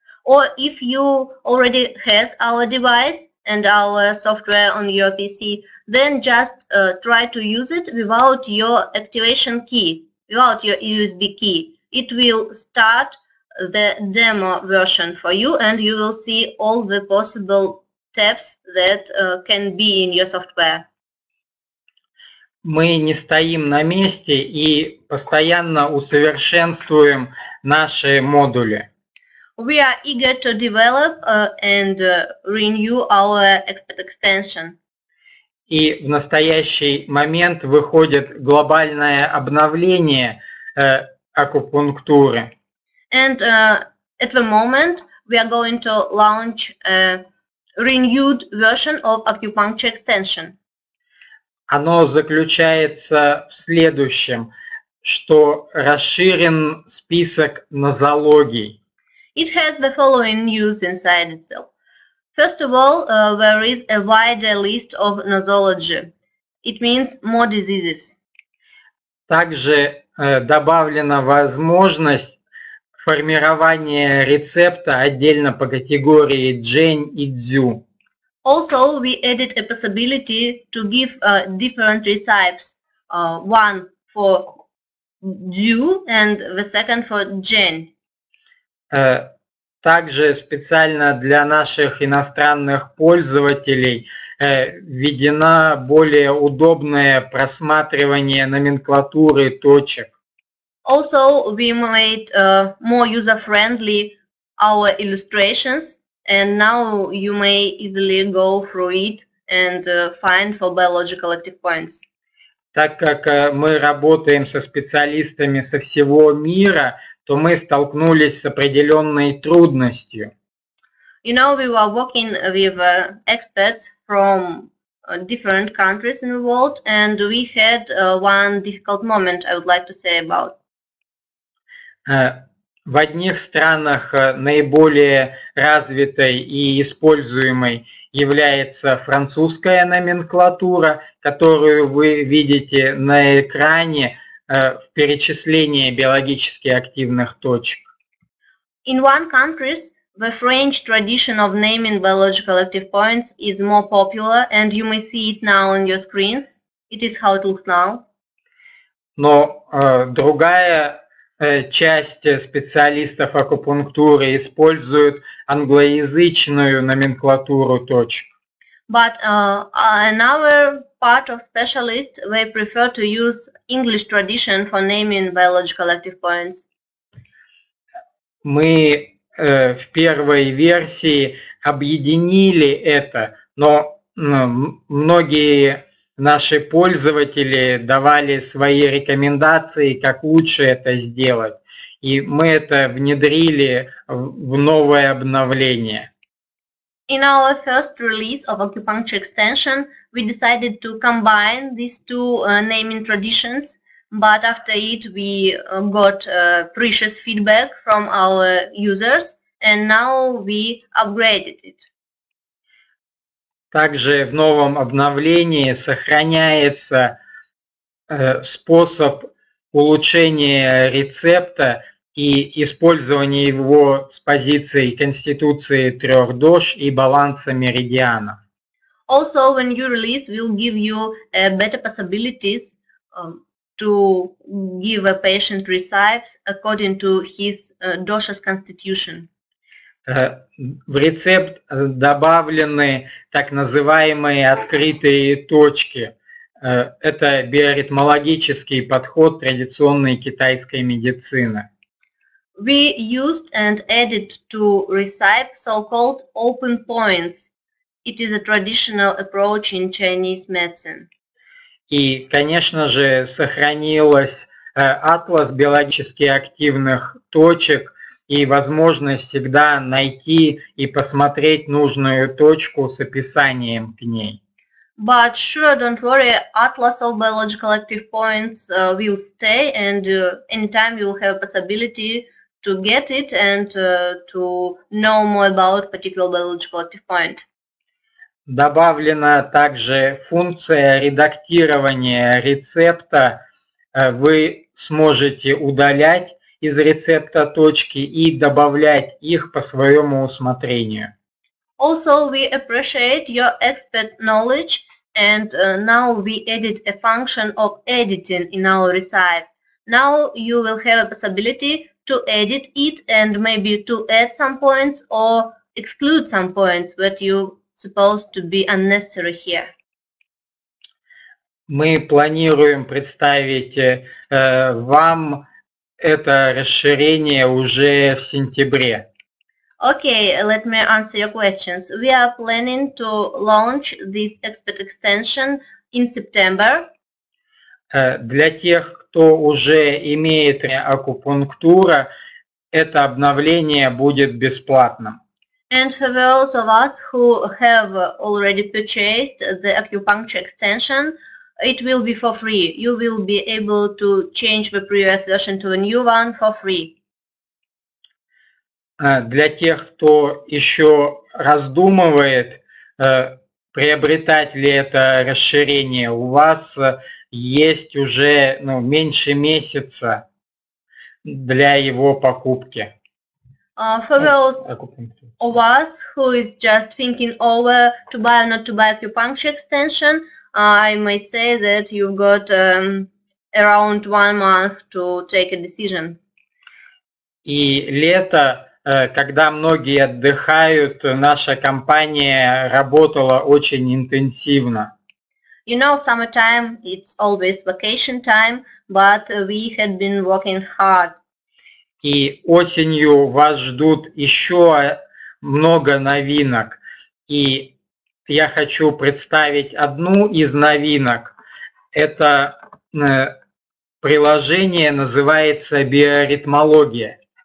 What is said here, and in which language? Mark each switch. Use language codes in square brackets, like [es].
[en] Or if you already have our device and our software on your PC, then just try to use it without your activation key, without your USB key. It will start the demo version for you, and you will see all the possible steps that can be in your software. [ru] Мы не стоим на месте и постоянно усовершенствуем наши модули. [en] We are eager to develop and renew our expert extension. [ru] И в настоящий момент выходит глобальное обновление акупунктуры. [en] And at the moment we are going to launch a renewed version of acupuncture extension. [ru] Оно заключается в следующем, что расширен список нозологий. [en] It has the following news inside itself. First of all, there is a wider list of nosology. It means more diseases. [ru] Также добавлена возможность формирования рецепта отдельно по категории Джень и Дзю. [en] Also, we added a possibility to give different recipes. One for Дзю and the second for Джень. [ru] Также специально для наших иностранных пользователей введено более удобное просматривание номенклатуры точек. [en] Also, we made more user-friendly our illustrations, and now you may easily go through it and find for biological active points. [ru] Так как мы работаем со специалистами со всего мира, то мы столкнулись с определенной трудностью. [en] You know, we were working with experts from different countries in the world, and we had one difficult moment I would like to say about. [ru] В одних странах наиболее развитой и используемой является французская номенклатура, которую вы видите на экране в перечислении биологически активных точек. [en] In one country, the French tradition of naming biological active points is more popular, and you may see it now on your screens. It is how it looks now. [ru] Но другая часть специалистов акупунктуры используют англоязычную номенклатуру точек. [en] But another part of specialists, they prefer to use English tradition for naming biological active points. [ru] Мы в первой версии объединили это, но многие наши пользователи давали свои рекомендации, как лучше это сделать. И мы это внедрили в новое обновление. [en] In our first release of acupuncture extension, we decided to combine these two naming traditions, but after it we got precious feedback from our users, and now we upgraded it. [ru] Также в новом обновлении сохраняется способ улучшения рецепта и использования его с позиции конституции трех дош и баланса меридианов. [en] Also, the new release will give you better possibilities to give a patient recipes according to his dosha's constitution. [ru] В рецепт добавлены так называемые открытые точки. Это биоритмологический подход традиционной китайской медицины. [en] We used and added to recipe so-called open points. It is a traditional approach in Chinese medicine. [ru] И, конечно же, сохранилась атлас биологически активных точек и возможность всегда найти и посмотреть нужную точку с описанием к ней. [en] But sure, don't worry, atlas of biological active points will stay, and anytime you will have a possibility to get it and to know more about particular biological active point. [ru] Добавлена также функция редактирования рецепта. Вы сможете удалять из рецепта точки и добавлять их по своему усмотрению. [en] Also, we appreciate your expert knowledge, and now we added a function of editing in our recipe. Now you will have a possibility to edit it and maybe to add some points or exclude some points that you supposed to be unnecessary here. [ru] Мы планируем представить вам это расширение уже в сентябре. [en] Okay, let me answer your questions. We are planning to launch this expert extension in September. [ru] Для тех, кто уже имеет акупунктуру, это обновление будет бесплатным. [en] And for those of us who have already purchased the acupuncture extension, it will be for free. You will be able to change the previous version to a new one for free. [ru] Для тех, кто еще раздумывает, приобретать ли это расширение, у вас есть уже меньше месяца для его покупки. [en] For those of us who is just thinking over to buy or not to buy acupuncture extension, I may say that you've got around 1 month to take a decision. [ru] И лето, когда многие отдыхают, наша компания работала очень интенсивно. [en] You know, summertime, it's always vacation time, but we had been working hard. [ru] И осенью вас ждут еще много новинок. И я хочу представить одну из новинок. Это приложение называется «Биоритмология».